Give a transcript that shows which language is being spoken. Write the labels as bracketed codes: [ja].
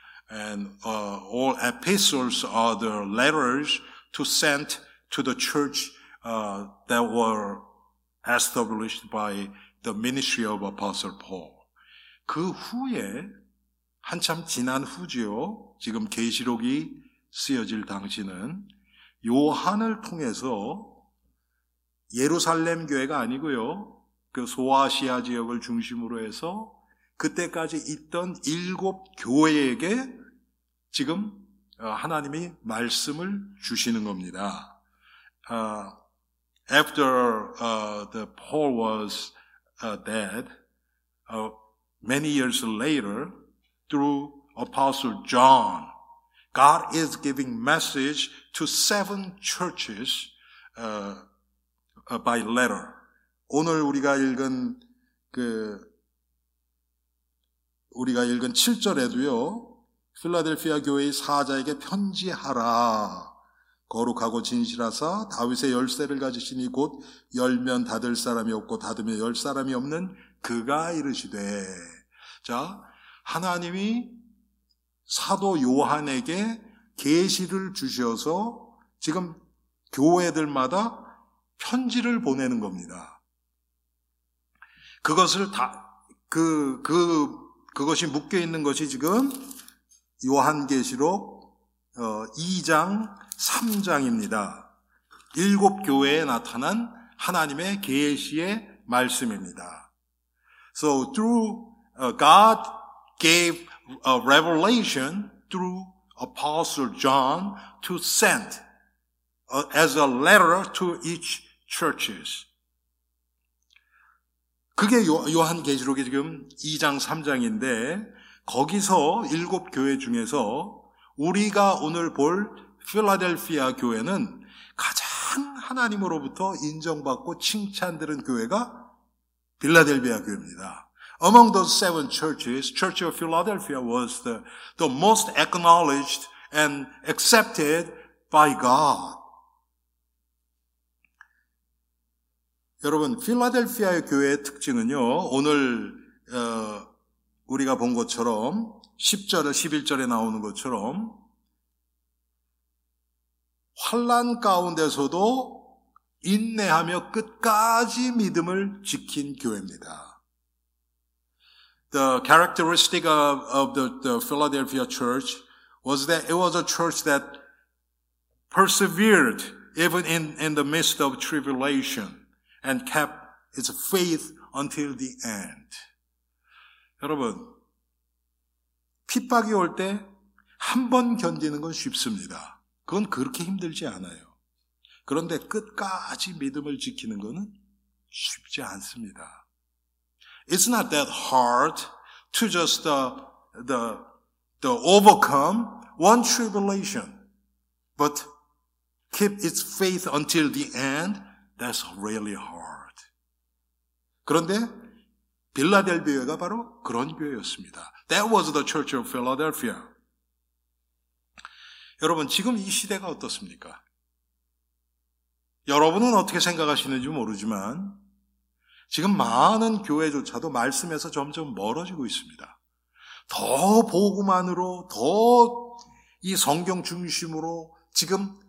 [en] And all epistles are the letters to sent to the church that were established by the ministry of Apostle Paul. [ko] 그 후에 한참 지난 후지요. 지금 계시록이 쓰여질 당시는 요한을 통해서 예루살렘 교회가 아니고요. 그 소아시아 지역을 중심으로 해서 그때까지 있던 일곱 교회에게 지금 하나님이 말씀을 주시는 겁니다. [en] After the Paul was dead, many years later, through Apostle John, God is giving message to seven churches by letter. [ko] 오늘 우리가 읽은 7절에도요. 필라델피아 교회의 사자에게 편지하라. 거룩하고 진실하사 다윗의 열쇠를 가지시니 곧 열면 닫을 사람이 없고 닫으면 열 사람이 없는 그가 이르시되. 자, 하나님이 사도 요한에게 계시를 주셔서 지금 교회들마다 편지를 보내는 겁니다. 그것을 다 그것이 묶여 있는 것이 지금 요한계시록 2장 3장입니다. 일곱 교회에 나타난 하나님의 계시의 말씀입니다. [en] So through God gave a revelation through Apostle John to send as a letter to each churches. [ko] 그게 요한계시록이 지금 2장 3장인데 거기서 일곱 교회 중에서 우리가 오늘 볼 필라델피아 교회는 가장 하나님으로부터 인정받고 칭찬들은 교회가 빌라델비아 교회입니다. [en] Among those seven churches, Church of Philadelphia was the most acknowledged and accepted by God. [ko] 여러분, 필라델피아의 교회의 특징은요, 오늘 우리가 본 것처럼 10절, 11절에 나오는 것처럼 환난 가운데서도 인내하며 끝까지 믿음을 지킨 교회입니다. [en] The characteristic of the Philadelphia church was that it was a church that persevered even in the midst of tribulation and kept its faith until the end. [ko] 여러분, 핍박이 올 때 한 번 견디는 건 쉽습니다. 그건 그렇게 힘들지 않아요. 그런데 끝까지 믿음을 지키는 거는 쉽지 않습니다. [en] It's not that hard to just the overcome one tribulation, but keep its faith until the end. That's really hard. [ko] 그런데 빌라델비아가 바로 그런 교회였습니다. [en] That was the Church of Philadelphia. [ko] 여러분, 지금 이 시대가 어떻습니까? 여러분은 어떻게 생각하시는지 모르지만 지금 많은 교회조차도 말씀에서 점점 멀어지고 있습니다. 더 복음 안으로, 더 이 성경 중심으로 지금